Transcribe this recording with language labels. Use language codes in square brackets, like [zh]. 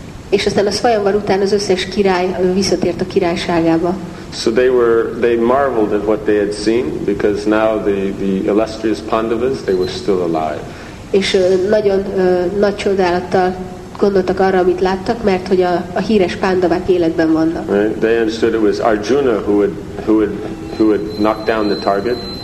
[hu] És aztán a Swayamvar után az összes király visszatért a királyságába. [en] So they marveled at what they had seen, because now the illustrious Pandavas, they were still alive. [hu] És nagyon nagy csodálattal gondoltak arra, amit láttak, mert hogy a híres Pandavák életben vannak. [en] Right? They understood it was Arjuna who would knock down the target.